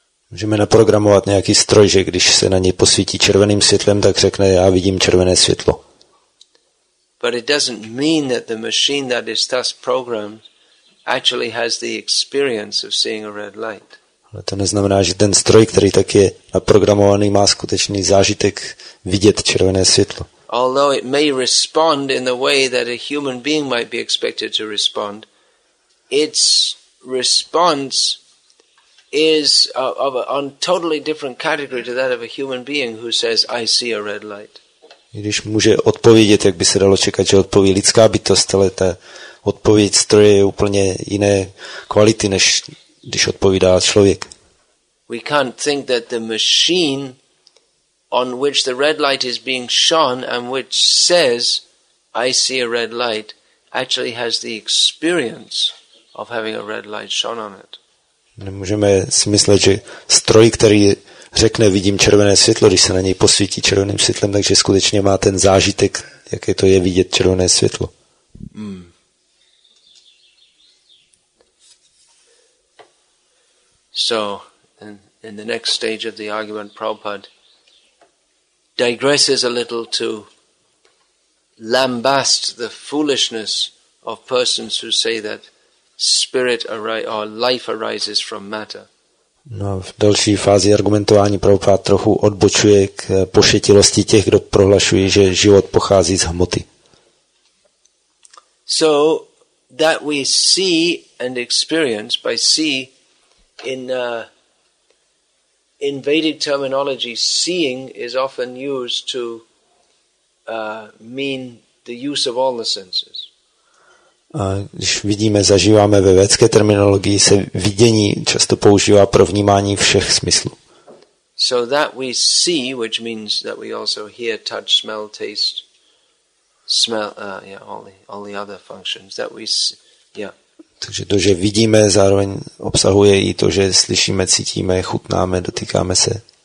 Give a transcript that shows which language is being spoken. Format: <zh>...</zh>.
<cs>Můžeme naprogramovat nějaký stroj, že když se na něj posvítí červeným světlem, tak řekne, já vidím červené světlo.</cs> <en>But it doesn't mean that the machine that is thus programmed actually has the experience of seeing a red light.</en> <cs>Ale to neznamená, že ten stroj, který tak je naprogramovaný, má skutečný zážitek vidět červené světlo.</cs> <en>Although it may respond in the way that a human being might be expected to respond, its response is on a totally different category to that of a human being who says, I see a red light.</en> <cs>Když může odpovědět, jak by se dalo čekat, že odpoví lidská bytost, ale ta odpověď stroje je úplně jiné kvality, než když odpovídá člověk.</cs> <en>We can't think that the machine on which the red light is being shone and which says, I see a red light, actually has the experience of having a red light shone on it.</en> <cs>Nemůžeme si myslet, že stroj, který řekne, vidím červené světlo, když se na něj posvítí červeným světlem, takže skutečně má ten zážitek, jaké to je vidět červené světlo.</cs> <en>So, in the next stage of the argument, Prabhupada digresses a little to lambast the foolishness of persons who say that spirit or life arises from matter.</en> <cs>No, v další fázi argumentování Prabhupada trochu odbočuje k pošetilosti těch, kdo prohlašují, že život pochází z hmoty.</cs> <en>So that we see and experience by see in Vedic terminology, seeing is often used to mean the use of all the senses.</en> <cs>A když vidíme, zažíváme ve vědecké terminologii, se vidění často používá pro vnímání všech smyslů.</cs> <en>So that we see, which means that we also hear, touch, smell, taste, all the other functions that we see, yeah.</en> <cs>Takže to, že vidíme, zároveň obsahuje i to, že slyšíme, cítíme, chutnáme, dotýkáme se.</cs>